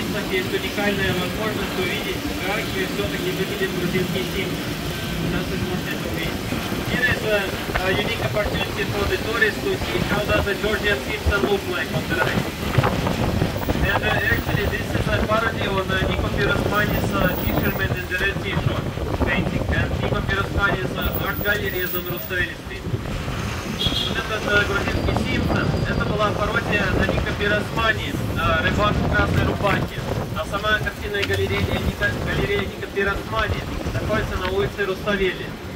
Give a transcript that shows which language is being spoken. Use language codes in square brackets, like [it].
[ru] Есть уникальная возможность увидеть, как же все-таки выглядит грузинский символ. Сейчас вы сможете это увидеть. [en] Here is a unique opportunity for the tourists to see how does the Georgian symbol look like on the right. And actually this is a parody on Nico Pirosmanis' Fisherman in the Red T-shirt painting. And Nico Pirosmanis' art gallery is on Rustaveli Street. [ru] Грузинский Симпсон, это была пародия на Ника Пиросмани, рыбак в красной рубахе. А сама картинная галерея Ника Пиросмани находится на улице Руставели.